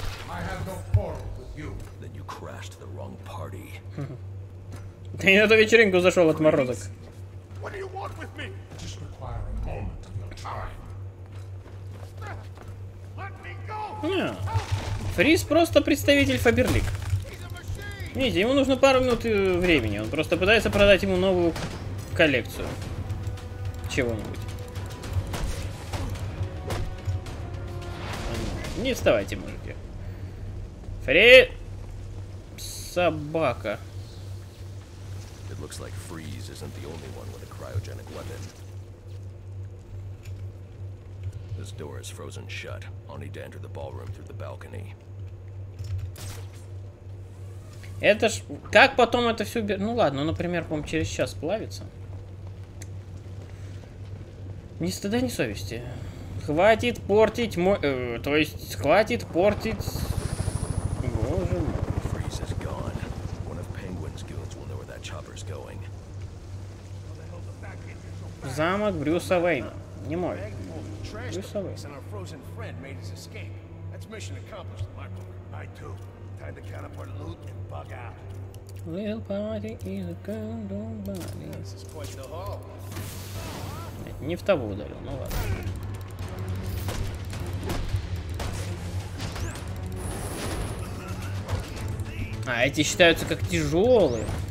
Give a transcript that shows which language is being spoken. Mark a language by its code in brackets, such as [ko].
[en] I have no quarrel with you. Then you crashed the wrong party. [ru] Ты на эту вечеринку зашел, отморозок. [en] What do you want with me? I just require a moment of your time. Let me go! [ru] Фриз просто представитель Фаберлик. Видите, ему нужно пару минут времени. Он просто пытается продать ему новую коллекцию. Чего-нибудь. Не вставайте, мужики. Фри... Собака. [en] It looks like Freeze isn't the only one with a cryogenic weapon. This door is frozen shut. I'll need to enter the ballroom through the balcony. [ru] Это ж... Как потом это все... Ну ладно, например, по-моему, через час плавится. Ни стыда, ни совести. Хватит портить мой... то есть, хватит портить... Боже мой. [en] Фриз is gone. One of Penguin's goons will know where that chopper's going. [ru] Замок Брюса Уэйна. Не мой. Брюса Уэйна. [en] Our frozen friend made his escape. That's mission accomplished, my book. I too. Time to catapult loot and bug out. Little party is a good old body. This is quite the hall. [ru] Не в того ударил, ну ладно. А эти считаются как тяжелые.